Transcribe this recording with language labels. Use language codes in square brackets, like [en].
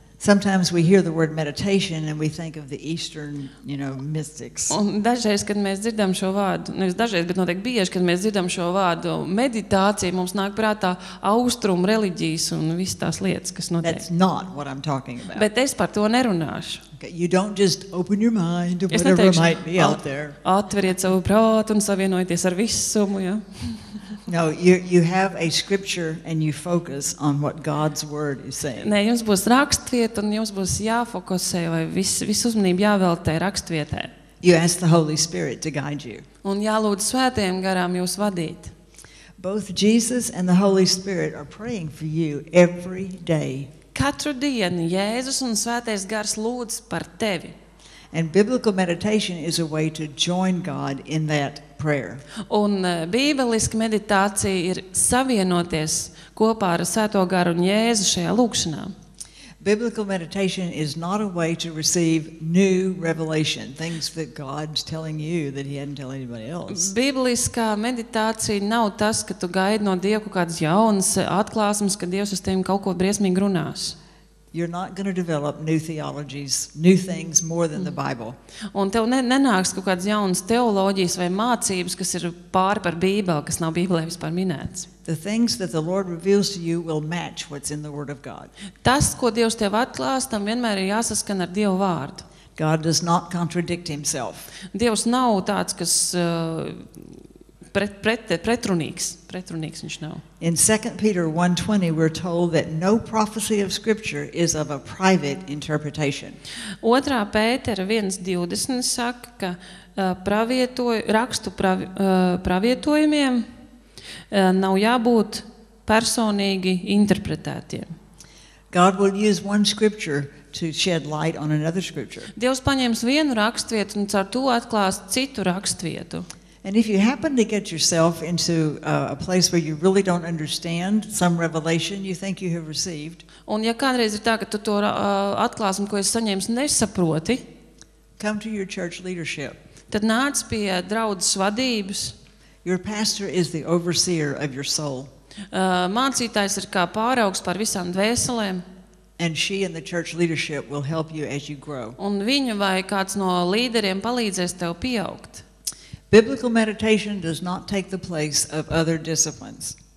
[en] Sometimes we hear the word meditation and we think of the Eastern, you know, mystics. [lv] Un dažreiz, kad mēs dzirdam šo vārdu, nevis dažreiz, bet noteikti bieži, kad mēs dzirdam šo vārdu, meditācija mums nāk prātā austrumu reliģijas un visas tās lietas, kas notiek. [en] That's not what I'm talking about. [lv] Bet es par to nerunāšu. [en] Okay, you don't just open your mind to whatever [lv] neteikšu, [en] might be out there. [lv] Atveriet savu prātu un savienojieties ar visumu, ja? [en] No, you have a scripture and you focus on what God's word is saying. [lv] Nē, jums būs rakstvieta un jums būs jāfokusē vai visu uzmanību jāveltē rakstvietē. [en] You ask the Holy Spirit to guide you. [lv] Un jālūdz Svētajam Garam jūs vadīt. [en] Both Jesus and the Holy Spirit are praying for you every day. [lv] Katru dienu Jēzus un Svētais Gars lūdz par tevi. [en] And biblical meditation is a way to join God in that prayer. [lv] Un bībeliska meditācija ir savienoties kopā ar Svēto Garu un Jēzu šajā lūkšanā. [en] Biblical meditation is not a way to receive new revelation, things that God's telling you that he hadn't told anybody else. [lv] Bībeliskā meditācija nav tas, ka tu gaidi no Dieva kādas jaunas atklāsmes, ka Dievs uz tevi kaut ko briesmīgi runās. [en] You're not going to develop new theologies, new things more than the Bible. [lv] Un tev nenāks kaut kādas jaunas teoloģijas vai mācības, kas ir pāri par Bībeli, kas nav Bībelē vispār minēts. [en] The things that the Lord reveals to you will match what's in the Word of God. [lv] Tas, ko Dievs tev atklās, tam vienmēr ir jāsaskan ar Dievu vārdu. [en] God does not contradict himself. [lv] Dievs nav tāds, kas pretrunīgs viņš nav. [en] In 2 Peter 1:20 we're told that no prophecy of scripture is of a private interpretation. [lv] 2. Pētera 1:20 saka, ka pravietojumiem nav jābūt personīgi interpretētiem. [en] God will use one scripture to shed light on another scripture. [lv] Dievs paņems vienu rakstvietu un caur to atklās citu rakstvietu. [en] And if you happen to get yourself into a place where you really don't understand some revelation you think you have received. [lv] Un ja kādreiz ir tā, ka tu to atklāsmi, ko esi saņēmis, nesaproti, [en] come to your church leadership. [lv] Tad nāc pie draudzes vadības. [en] Your pastor is the overseer of your soul. [lv] Mācītājs ir kā pāraugs par visām dvēselēm. [en] And she and the church leadership will help you as you grow. [lv] Un viņa vai kāds no līderiem palīdzēs tev pieaugt. [en] Biblical meditation does not take the place of other disciplines.